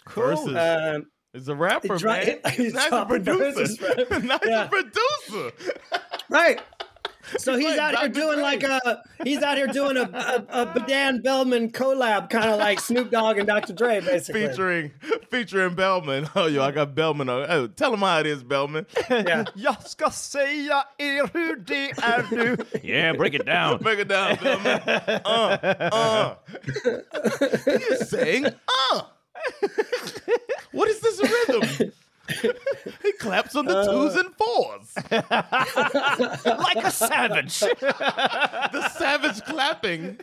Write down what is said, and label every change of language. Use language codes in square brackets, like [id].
[en] Cool. Verses. He's a rapper, man. He's a producer. Nice yeah. producer. Right. So he's out here doing like a Badan Bellman collab, kind of like Snoop Dogg and Dr. Dre, basically. Featuring Bellman. Oh, yo, I got Bellman. Oh, tell him how it is, Bellman. [sv] Jag ska säga er hur det är nu. [en] Yeah, break it down. Break it down, Bellman. He's saying, What is this rhythm? He claps on the twos and fours. Like a savage. The savage clapping.